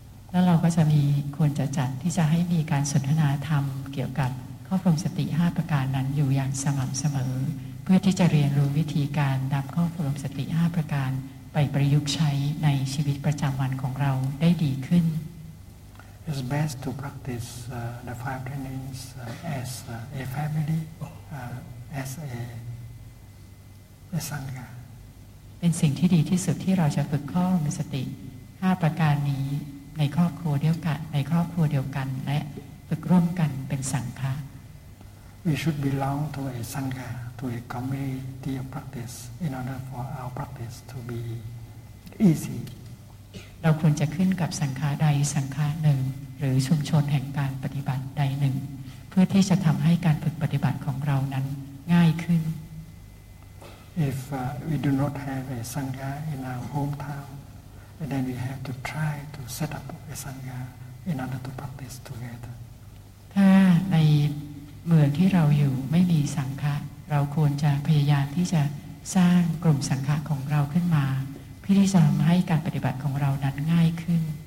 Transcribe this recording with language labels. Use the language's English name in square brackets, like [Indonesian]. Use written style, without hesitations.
[Thai] แล้วเราก็จะมีควรจะจัดที่จะให้มีการสนทนาธรรมเกี่ยวกับข้อพรมสติ5ประการนั้นอยู่อย่างสม่ำเสมอเพื่อที่จะเรียนรู้วิธีการนำข้อพรมสติ5ประการไปประยุกต์ใช้ในชีวิตประจำวันของเราได้ดีขึ้น [English] It's best to practice the five tenets as a family as a sangha [Thai] เป็นสิ่งที่ดีที่สุดที่เราจะฝึกข้อพรมสติ5ประการนี้ในครอบครัวเดียวกันในครอบครัวเดียวกันและฝึกร่วมกันเป็นสังฆะ [English] We should belong to a sangha to a community of practice in order for our practice to be easy [Thai] เราควรจะขึ้นกับสังฆะใดสังฆะหนึ่งหรือชุมชนแห่งการปฏิบัติใดหนึ่งเพื่อที่จะทำให้การฝึกปฏิบัติของเรานั้นง่ายขึ้น [English] If we do not have a sangha in our hometownAnd then we have to try to set up a sangha in order to practice together. [Thai] ถ้าในเมืองที่เราอยู่ไม่มีสังฆะเราควรจะพยายามที่จะสร้างกลุ่มสังฆะของเราขึ้นมาเพื่อที่จะทำให้การปฏิบัติของเรานั้นง่ายขึ้น